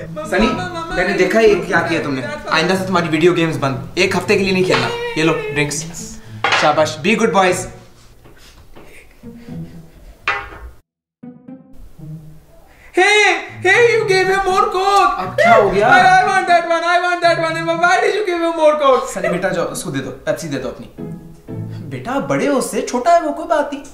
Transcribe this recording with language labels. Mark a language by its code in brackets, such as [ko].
[hi] Sunny, मैंने देखा ये क्या किया तुमने, आइंदा से तुम्हारी वीडियो गेम्स बंद, एक हफ्ते के लिए नहीं खेलना, ये लो ड्रिंक्स, शाबाश, [en] Be good boys. Hey, you gave him more coke. [hi] अब क्या हो गया? [en] I want that one. Why did you give him more coke? [hi] Sunny बेटा जाओ उसको दे दो, Pepsi दे दो अपनी। बेटा बड़े हो से, छोटा है वो, कोई बात नहीं।